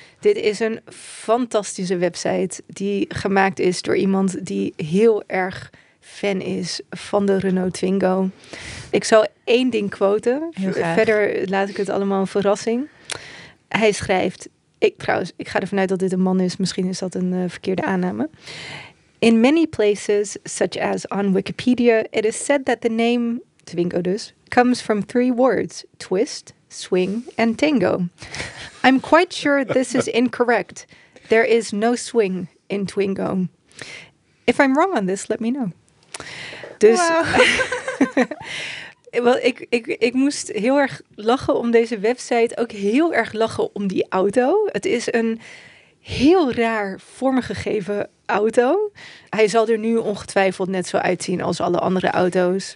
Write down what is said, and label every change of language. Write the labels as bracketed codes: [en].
[nl] Dit is een fantastische website die gemaakt is door iemand die heel erg fan is van de Renault Twingo. Ik zal één ding quoten. Verder laat ik het allemaal een verrassing. Hij schrijft, ik ga ervan uit dat dit een man is. Misschien is dat een verkeerde aanname. [en] In many places, such as on Wikipedia, it is said that the name Twingo dus comes from three words: twist, swing and tango. I'm quite sure this is incorrect. There is no swing in Twingo. If I'm wrong on this, let me know. [nl] Dus wow. Well, ik moest heel erg lachen om deze website, ook heel erg lachen om die auto. Het is een heel raar vormgegeven auto. Hij zal er nu ongetwijfeld net zo uitzien als alle andere auto's.